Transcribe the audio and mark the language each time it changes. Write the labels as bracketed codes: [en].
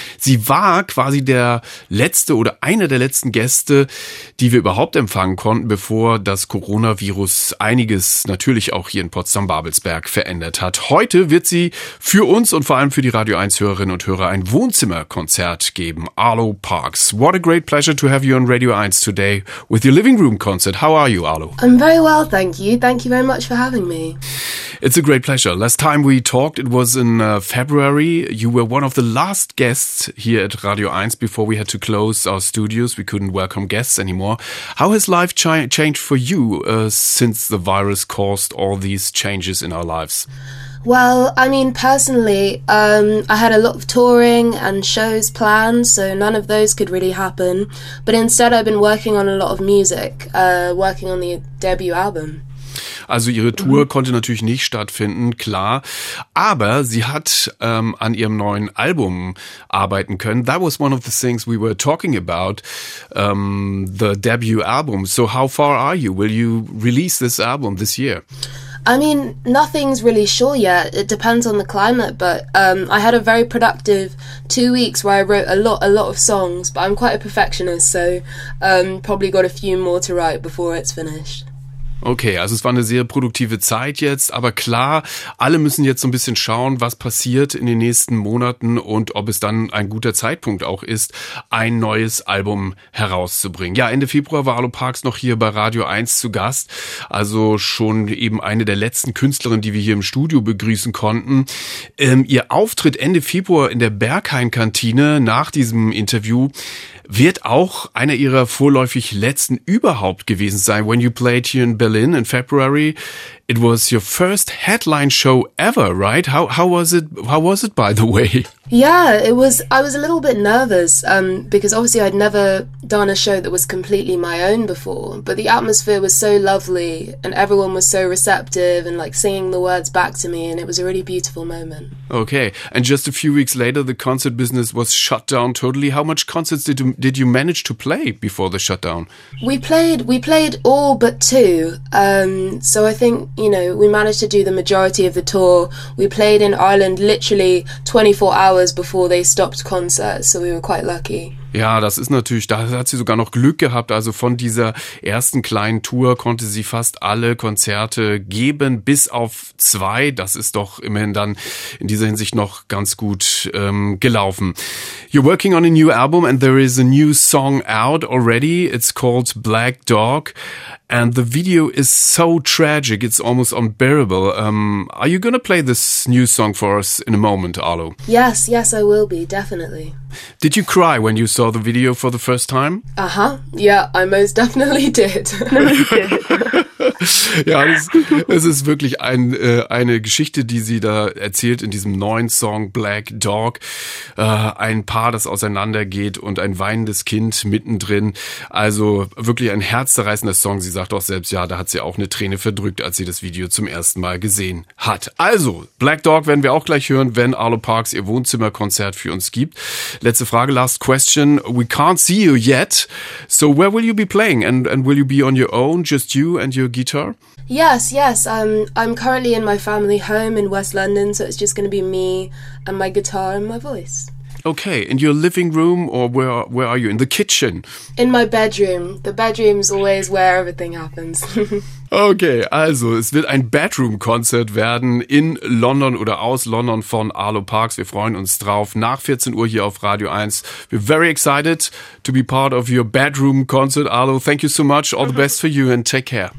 [de] Sie war quasi der letzte oder einer der letzten Gäste, die wir überhaupt empfangen konnten, bevor das Coronavirus einiges natürlich auch hier in Potsdam-Babelsberg verändert hat. Heute wird sie für uns und vor allem für die Radio 1 Hörerinnen und Hörer ein Wohnzimmerkonzert geben. Arlo Parks. [en] What a great pleasure to have you on Radio 1 today with your living room concert. How are you, Arlo? I'm very well, thank you. Thank you very much for having me. It's a great pleasure. Last time we talked, it was in February. You were one of the last guests here at Radio 1 before we had to close our studios. We couldn't welcome guests anymore. How has life changed for you since the virus caused all these changes in our lives? Well, I mean, personally, I had a lot of touring and shows planned, so none of those could really happen. But instead, I've been working on a lot of music, working on the debut album. [de] Also ihre Tour konnte natürlich nicht stattfinden, klar. Aber sie hat an ihrem neuen Album arbeiten können. [en] That was one of the things we were talking about, the debut album. So how far are you? Will you release this album this year? I mean, nothing's really sure yet. It depends on the climate, but I had a very productive 2 weeks where I wrote a lot of songs, but I'm quite a perfectionist, so probably got a few more to write before it's finished. [de] Okay, also es war eine sehr produktive Zeit jetzt, aber klar, alle müssen jetzt so ein bisschen schauen, was passiert in den nächsten Monaten und ob es dann ein guter Zeitpunkt auch ist, ein neues Album herauszubringen. Ja, Ende Februar war Arlo Parks noch hier bei Radio 1 zu Gast, also schon eben eine der letzten Künstlerinnen, die wir hier im Studio begrüßen konnten. Ihr Auftritt Ende Februar in der Berghain-Kantine nach diesem Interview wird auch einer ihrer vorläufig letzten überhaupt gewesen sein. [en] When you played here in Berlin in February, it was your first headline show ever, right? How was it, by the way? Yeah, I was a little bit nervous, because obviously I'd never done a show that was completely my own before, but the atmosphere was so lovely and everyone was so receptive and like singing the words back to me, and it was a really beautiful moment. Okay, and just a few weeks later, the concert business was shut down totally. How much concerts did you manage to play before the shutdown? We played all but two. So I think, you know, we managed to do the majority of the tour. We played in Ireland literally 24 hours before they stopped concerts, so we were quite lucky. [de] Ja, das ist natürlich, da hat sie sogar noch Glück gehabt. Also von dieser ersten kleinen Tour konnte sie fast alle Konzerte geben, bis auf zwei. Das ist doch immerhin dann in dieser Hinsicht noch ganz gut gelaufen. [en] You're working on a new album and there is a new song out already. It's called Black Dog. And the video is so tragic, it's almost unbearable. Are you going to play this new song for us in a moment, Arlo? Yes, I will be, definitely. Did you cry when you saw the video for the first time? Uh-huh, yeah, I most definitely did. [de] Ja, es ist wirklich eine Geschichte, die sie da erzählt in diesem neuen Song Black Dog. Ein Paar, das auseinandergeht und ein weinendes Kind mittendrin. Also wirklich ein herzzerreißender Song. Sie sagt auch selbst, ja, da hat sie auch eine Träne verdrückt, als sie das Video zum ersten Mal gesehen hat. Also, Black Dog werden wir auch gleich hören, wenn Arlo Parks ihr Wohnzimmerkonzert für uns gibt. Letzte Frage, [en] last question. We can't see you yet. So where will you be playing? And will you be on your own, just you and your guitar? Yes. I'm currently in my family home in West London, so it's just going to be me and my guitar and my voice. Okay, in your living room, or where are you? In the kitchen? In my bedroom. The bedroom's always where everything happens. [de] Okay, also es wird ein Bedroom-Konzert werden in London oder aus London von Arlo Parks. Wir freuen uns drauf nach 14 Uhr hier auf Radio 1. [en] We're very excited to be part of your Bedroom-Concert, Arlo. Thank you so much. All the best for you and take care.